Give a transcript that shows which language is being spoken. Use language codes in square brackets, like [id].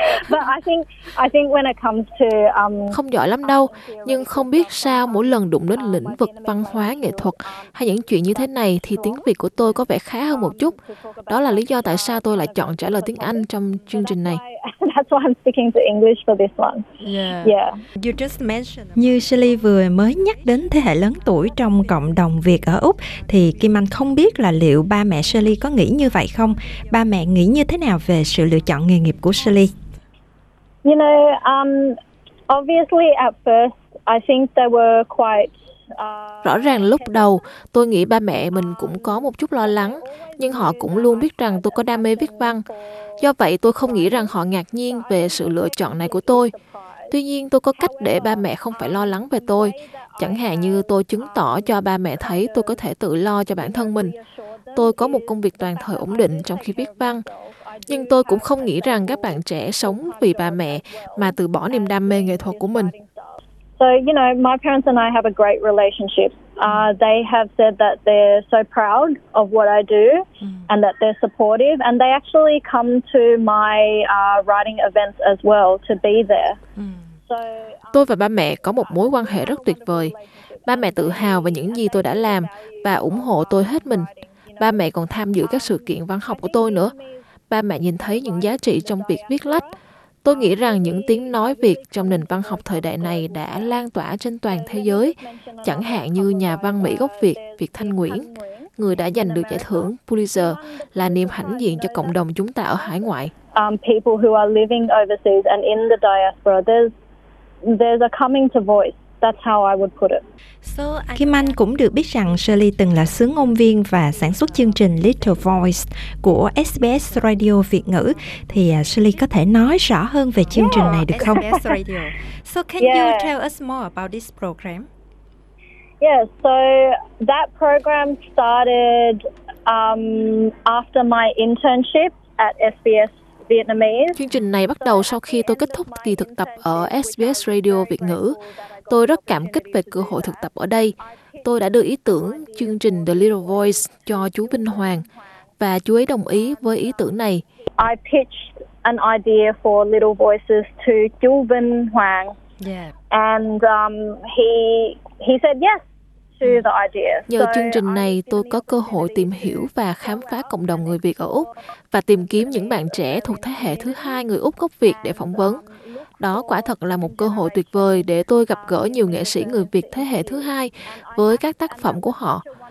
[en] But I think when it comes to [vi] không giỏi lắm đâu, nhưng không biết sao mỗi lần đụng đến lĩnh vực văn hóa nghệ thuật hay những chuyện như thế này thì tiếng Việt của tôi có vẻ khá hơn một chút. Đó là lý do tại sao tôi lại chọn trả lời tiếng Anh trong chương trình này. [en] That's why I'm speaking to English for this one. Yeah. You just mentioned. [vi] Như Shirley vừa mới nhắc đến thế hệ lớn tuổi trong cộng đồng Việt ở Úc, thì Kim Anh không biết là liệu ba mẹ Shirley có nghĩ như vậy không? Ba mẹ nghĩ như thế nào về sự lựa chọn nghề nghiệp của Shirley? [en] You know, obviously at first, I think they were quite. [vi] Rõ ràng lúc đầu, tôi nghĩ ba mẹ mình cũng có một chút lo lắng, nhưng họ cũng luôn biết rằng tôi có đam mê viết văn. Do vậy, tôi không nghĩ rằng họ ngạc nhiên về sự lựa chọn này của tôi. Tuy nhiên, tôi có cách để ba mẹ không phải lo lắng về tôi. Chẳng hạn như tôi chứng tỏ cho ba mẹ thấy tôi có thể tự lo cho bản thân mình. Tôi có một công việc toàn thời ổn định trong khi viết văn. Nhưng tôi cũng không nghĩ rằng các bạn trẻ sống vì ba mẹ mà từ bỏ niềm đam mê nghệ thuật của mình. [en] So, you know, my parents and I have a great relationship. They have said that they're so proud of what I do and that they're supportive, and they actually come to my writing events as well to be there. [vi] Tôi và ba mẹ có một mối quan hệ rất tuyệt vời. Ba mẹ tự hào về những gì tôi đã làm và ủng hộ tôi hết mình. Ba mẹ còn tham dự các sự kiện văn học của tôi nữa. Ba mẹ nhìn thấy những giá trị trong việc viết lách. Tôi nghĩ rằng những tiếng nói Việt trong nền văn học thời đại này đã lan tỏa trên toàn thế giới, chẳng hạn như nhà văn Mỹ gốc Việt, Việt Thanh Nguyễn, người đã giành được giải thưởng Pulitzer, là niềm hãnh diện cho cộng đồng chúng ta ở hải ngoại. [en] People who are living overseas and in the diaspora, there's a coming to voice. That's how I would put it. [vi] So, Kim Anh cũng được biết rằng Shirley từng là xướng ngôn viên và sản xuất chương trình Little Voice của SBS Radio Việt ngữ. Thì Shirley có thể nói rõ hơn về chương trình này được không? [en] SBS Radio. So can you tell us more about this program? Yeah, so that program started after my internship at SBS. [vi] Chương trình này bắt đầu sau khi tôi kết thúc kỳ thực tập ở SBS Radio Việt ngữ. Tôi rất cảm kích về cơ hội thực tập ở đây. Tôi đã đưa ý tưởng chương trình The Little Voice cho chú Vinh Hoàng và chú ấy đồng ý với ý tưởng này. [en] I pitched an idea for Little Voices to Chu Vinh Hoàng. Yeah. And he said yes. [vi] Nhờ chương trình này, tôi có cơ hội tìm hiểu và khám phá cộng đồng người Việt ở Úc và tìm kiếm những bạn trẻ thuộc thế hệ thứ hai người Úc gốc Việt để phỏng vấn. Đó quả thật là một cơ hội tuyệt vời để tôi gặp gỡ nhiều nghệ sĩ người Việt thế hệ thứ hai với các tác phẩm của họ.